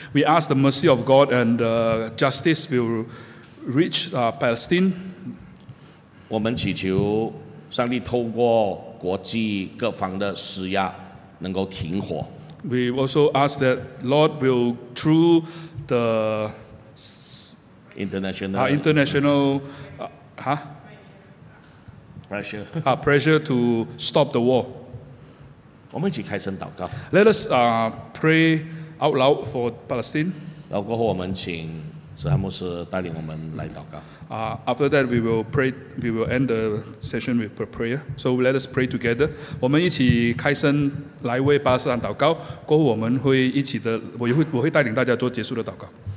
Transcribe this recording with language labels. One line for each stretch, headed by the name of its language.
English: We ask the mercy of God and the justice will reach Palestine.
Chinese: 我们祈求上帝透过国际各方的施压能够停火。
English: We also ask that Lord will through the International pressure to stop the war.
Chinese: 我们一起开声祷告。
English: Let us pray out loud for Palestine.
Chinese: 然后过后我们请史汉牧师带领我们来祷告。
English: After that, we will end the session with prayer. So let us pray together.
Chinese: 我们一起开声来为巴勒斯坦祷告。过后我会带领大家做结束的祷告。